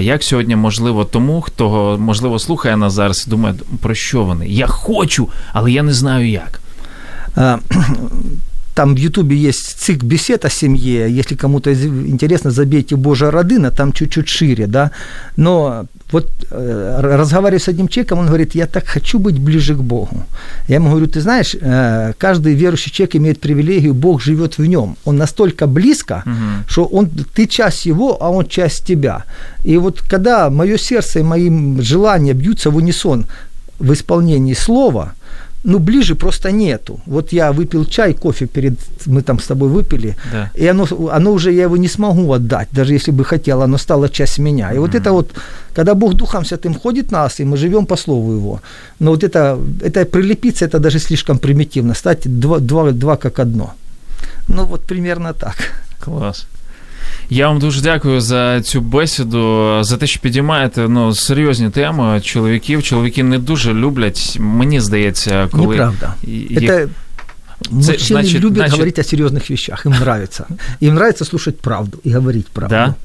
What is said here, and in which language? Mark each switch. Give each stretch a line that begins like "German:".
Ukrainian: Як сьогодні можливо тому, хто, можливо, слухає нас зараз і думає, про що вони? Я хочу, але я не знаю як. Там в Ютубі є цик бесед о сім'ї, якщо комусь цікаво, забейте «Божа родина», там чуть-чуть шире, да?
Russian: Но вот разговариваю с одним человеком, он говорит, я так хочу быть ближе к Богу. Я ему говорю, ты знаешь, каждый верующий человек имеет привилегию, Бог живет в нем. Он настолько близко, что он, ты часть его, а он часть тебя. И вот когда мое сердце и мои желания бьются в унисон в исполнении слова, ну, ближе просто нету. Вот я выпил чай, кофе перед, мы там с тобой выпили, да, и оно уже, я его не смогу отдать, даже если бы хотел, оно стало часть меня. И вот это вот, когда Бог Духом Святым ходит в нас, и мы живем по слову Его, но вот это прилепиться, это даже слишком примитивно, стать два как одно. Ну, вот примерно так. Класс.
Ukrainian: Я вам дуже дякую за цю бесіду, за те, що підіймаєте, ну, серйозні теми чоловіків. Чоловіки не дуже люблять, мені здається, коли... Неправда. Це мужчини значить, люблять значить... говорити о серйозних вещах, їм подобається. Їм подобається слухати правду і говорити правду.